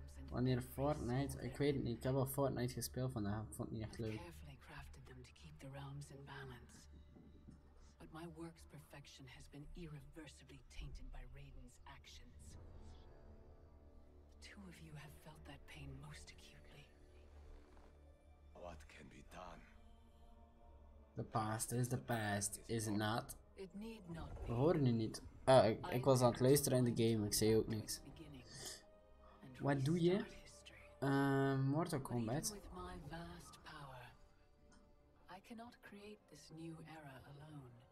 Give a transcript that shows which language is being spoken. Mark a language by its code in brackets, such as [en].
[nl] Wanneer Fortnite, ik weet het niet, ik heb al Fortnite gespeeld vandaag, ik vond het niet echt leuk. [en] Carefully crafted them to keep the realms in balance. But my work's perfection has been irreversibly tainted by Raiden's actions. The two of you have felt that pain most acutely. What can be done? The past is the past, is it not? It need not be. [nl] We hoorden u niet. Ah, ik was aan het luisteren in de game, ik zei ook niks. Wat doe je? Mortal Kombat. [en] With my vast power, I cannot create this new era alone.